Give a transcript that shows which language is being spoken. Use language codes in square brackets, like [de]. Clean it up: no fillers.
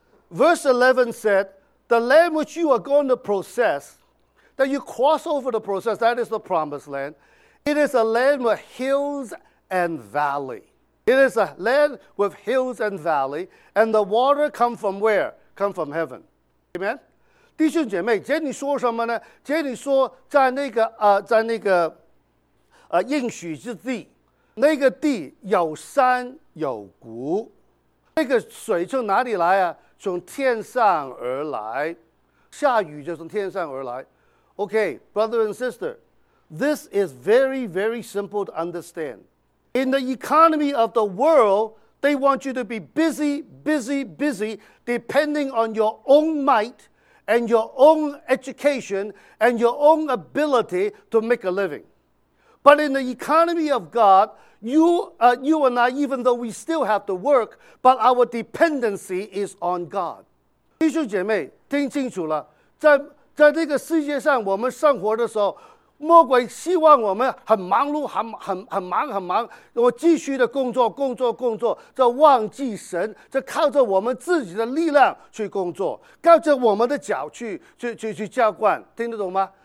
[en] Verse 11 said, the land which you are going to possess, that you cross over the process, that is the promised land, it is a land with hills and valley. It is a land with hills and valley, and the water come from where? Come from heaven. Amen? [zh] 弟兄姐妹，这里说什么呢？这里说在那个应许之地。那个地有山有谷，那个水从哪里来啊？从天上而来，下雨就从天上而来。 [en] Okay, brother and sister, this is very, very simple to understand. In the economy of the world, they want you to be busy, busy, busy, depending on your own might and your own education and your own ability to make a living. But in the economy of God,You and I, even though we still have to work, but our dependency is on God. [zh] 弟兄姐妹，听清楚了，在这个世界上我们生活的时候，魔鬼希望我们很忙碌，很忙，我继续的工作，就忘记神，就靠着我们自己的力量去工作，靠着我们的脚去浇灌，听得懂吗？